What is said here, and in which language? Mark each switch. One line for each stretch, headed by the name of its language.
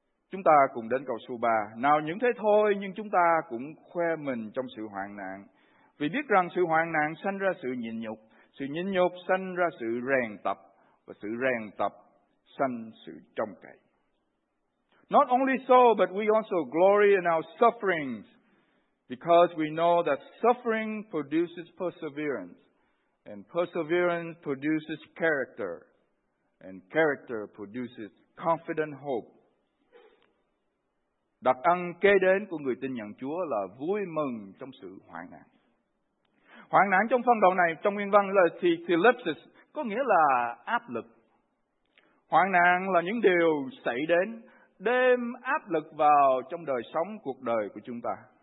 Vietnamese: Chúng ta cùng đến câu số 3. Nào những thế thôi, nhưng chúng ta cũng khoe mình trong sự hoạn nạn, vì biết rằng sự hoạn nạn sanh ra sự nhịn nhục sanh ra sự rèn tập, và sự rèn tập sanh sự trông cậy.
English: Not only so, but we also glory in our sufferings, because we know that suffering produces perseverance, and perseverance produces character, and character produces confident hope.
Vietnamese: Đặc ân kế đến của người tin nhận Chúa là vui mừng trong sự hoạn nạn. Hoạn nạn trong phân đoạn này, trong nguyên văn là thilipsis, có nghĩa là áp lực. Hoạn nạn là những điều xảy đến, đem áp lực vào trong đời sống, cuộc đời của chúng ta.